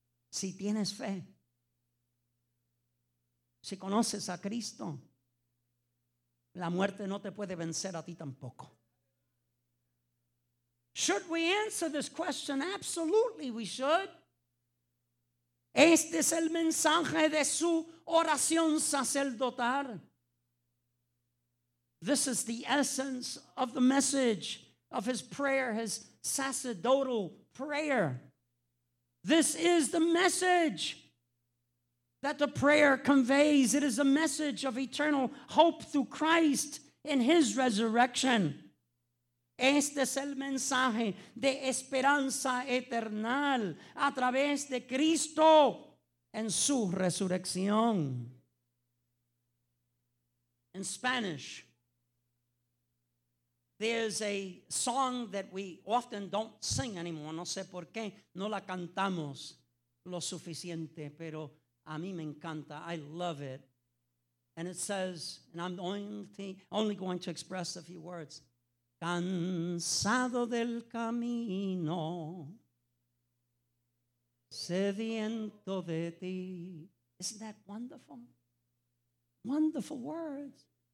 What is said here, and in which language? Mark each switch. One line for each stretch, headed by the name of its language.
Spanish: Si tienes fe, si conoces a Cristo, la muerte no te puede vencer a ti tampoco.
English: Should we answer this question? Absolutely we should.
Spanish: Este es el mensaje de su oración sacerdotal.
English: This is the essence of the message of his prayer, his sacerdotal prayer. This is the message that the prayer conveys. It is a message of eternal hope through Christ in his resurrection.
Spanish: Este es el mensaje de esperanza eterna a través de Cristo en su resurrección.
English: In Spanish, there's a song that we often don't sing anymore.
Spanish: No sé por qué no la cantamos lo suficiente, pero a mí me encanta.
English: I love it. And it says, and I'm only going to express a few words.
Spanish: Cansado del camino, sediento de ti.
English: Isn't that wonderful? Wonderful words.